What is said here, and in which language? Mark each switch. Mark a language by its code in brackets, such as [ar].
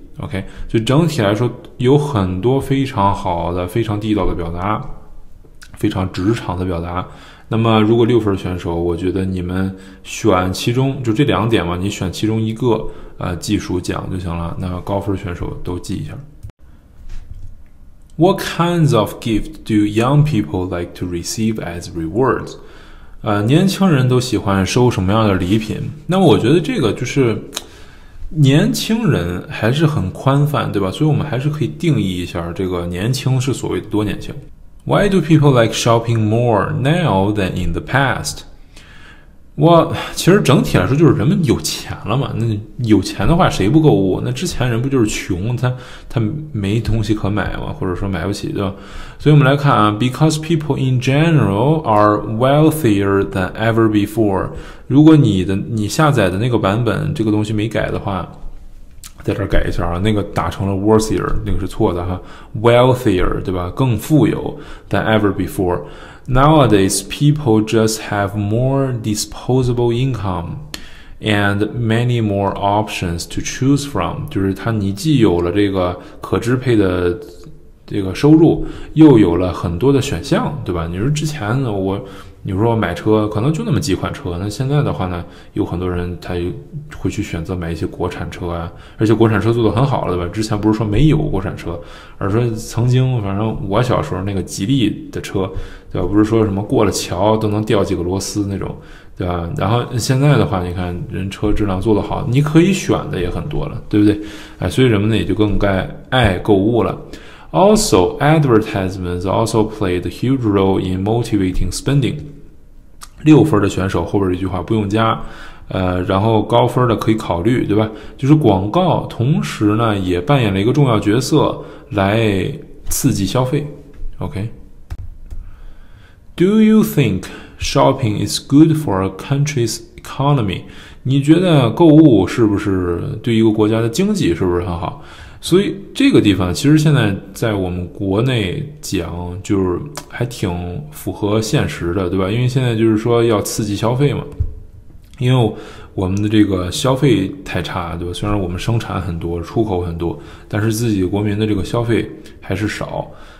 [zh] OK， 就整体来说，有很多非常好的、非常地道的表达，非常职场的表达。那么，如果六分选手，我觉得你们选其中就这两点嘛，你选其中一个，技术奖就行了。那高分选手都记一下。 [en] What kinds of gift do young people like to receive as rewards？ [zh] 年轻人都喜欢收什么样的礼品？那么我觉得这个就是年轻人还是很宽泛，对吧？所以我们还是可以定义一下这个年轻是所谓的多年轻。 [en] Why do people like shopping more now than in the past？ [zh] 我其实整体来说就是人们有钱了嘛。那有钱的话，谁不购物？那之前人不就是穷，他没东西可买嘛，或者说买不起，对吧？所以我们来看啊 [en] ，because people in general are wealthier than ever before。 [zh] 如果你下载的那个版本这个东西没改的话，在这改一下啊，那个打成了 worthier， 那个是错的哈 ，wealthier 对吧？更富有 [en] than ever before。 Nowadays, people just have more disposable income and many more options to choose from。 [zh] 就是你既有了这个可支配的这个收入，又有了很多的选项，对吧？你说之前呢，你说买车可能就那么几款车，那现在的话呢，有很多人他会去选择买一些国产车啊，而且国产车做得很好了，对吧？之前不是说没有国产车，而说曾经，反正我小时候那个吉利的车，对吧？不是说什么过了桥都能掉几个螺丝那种，对吧？然后现在的话，你看人车质量做得好，你可以选的也很多了，对不对？哎，所以人们呢也就更该爱购物了。 [en] Also, advertisements also played a huge role in motivating spending. [zh] 六分的选手后边一句话不用加，然后高分的可以考虑，对吧？就是广告同时呢也扮演了一个重要角色来刺激消费。 [en] OK. Do you think shopping is good for a country's economy? [zh] 你觉得购物是不是对一个国家的经济是不是很好？所以这个地方其实现在在我们国内讲就是还挺符合现实的，对吧？因为现在就是说要刺激消费嘛，因为我们的这个消费太差，对吧？虽然我们生产很多出口很多，但是自己国民的这个消费还是少。